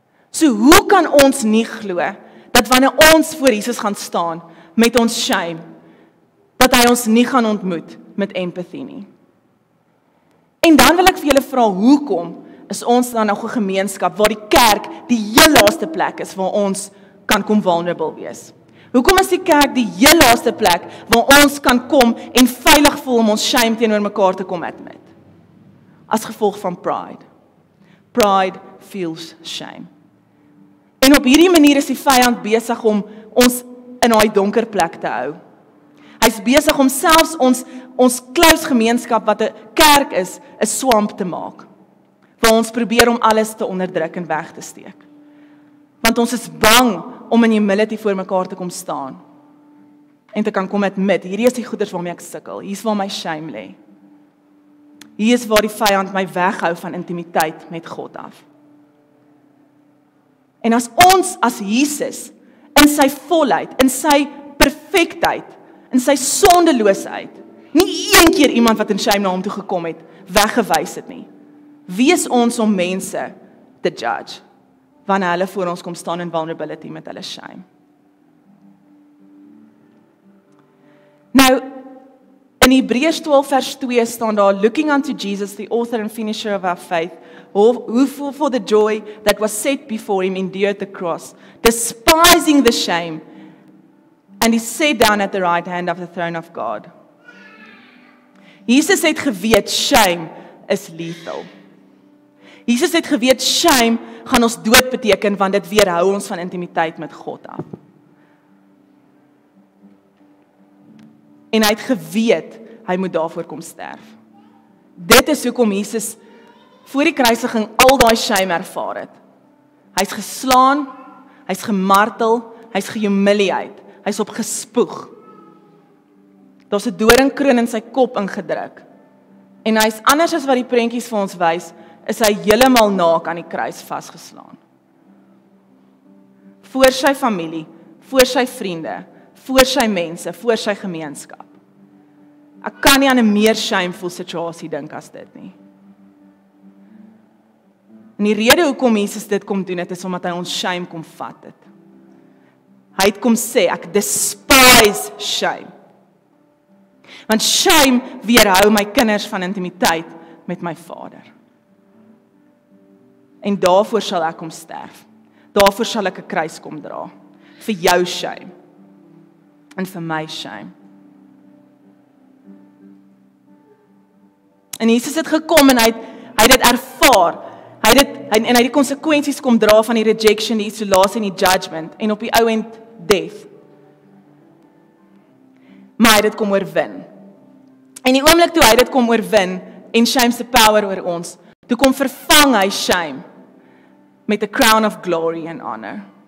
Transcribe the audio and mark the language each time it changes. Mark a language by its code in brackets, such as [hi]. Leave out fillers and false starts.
[af] So hoe kan ons nie glo, dat wanneer ons voor Jesus gaan staan met ons shame, dat hy ons nie gaan ontmoet met empathy nie. En dan wil ek vir julle vra, hoekom is ons dan nog 'n gemeenskap waar die kerk die heel laaste plek is waar ons kan kom vulnerable wees? Hoekom is die kerk die heel laaste plek waar ons kan kom en veilig voel om ons shame teenoor mekaar te kom admit? As gevolg van [en] pride. Pride feels shame. [af] En op hierdie manier is die vyand besig om ons in daai donker plek te hou. Hy is besig om selfs ons close gemeenskap wat 'n kerk is, 'n swamp te maak. Waar ons probeer om alles te onderdruk en weg te steek. Want ons is bang om in humility voor mekaar te kom staan. En te kan kom admit, hierdie is die goeders waarmee ek sukkel. Hier is waar my shame lê. Hier is waar die vyand my weghou van intimiteit met God af. En as ons as Jesus in sy volheid, in sy perfektheid, in sy sondeloosheid, nie een keer iemand wat in shame na hom toe gekom het, weggewys het nie. Wees ons om mense te judge, wanneer hulle voor ons kom staan in vulnerability met hulle shame. Nou, in Hebreërs 12 vers 2 staan daar, [en] looking unto Jesus, the author and finisher of our faith, who for the joy that was set before him endured the cross, despising the shame, and he sat down at the right hand of the throne of God. [af] Jesus het geweet, shame is lethal. Jesus het geweet, shame gaan ons dood beteken, want dit weerhou ons van intimiteit met God af. En hy het geweet, hy moet daarvoor kom sterf. Dit is hoekom Jesus voor die kruisiging al daai shame ervaar het. Hy is geslaan, hy is gemartel, hy is gehumiliëerd, hy is op gespoeg. Daar is 'n doringkroon in sy kop ingedruk. En hy is anders as wat die prentjies vir ons wys, is hy heeltemal naak aan die kruis vasgeslaan. Voor sy familie, voor sy vriende, voor sy mense, voor sy gemeenskap. Ek kan nie aan 'n meer shameful situasie dink as dit nie. En die rede hoekom Jesus dit kom doen het, is omdat hy ons shame kom vat het. Hy het kom sê, ek despise shame. Want shame weerhou my kinders van intimiteit met my vader. En daarvoor sal ek kom sterf. Daarvoor sal ek 'n kruis kom dra. Vir jou shame. En vir my shame. En Jesus het gekom en hy het dit ervaar. En hy het die konsekwensies kom dra van die rejection, die isolasie en die judgment. En op die ou end, death. Maar hy het kom oorwin. En die oomblik toe hy het kom oorwin, en shame se power oor ons, toe kom vervang hy shame met [en] a crown of glory and honor.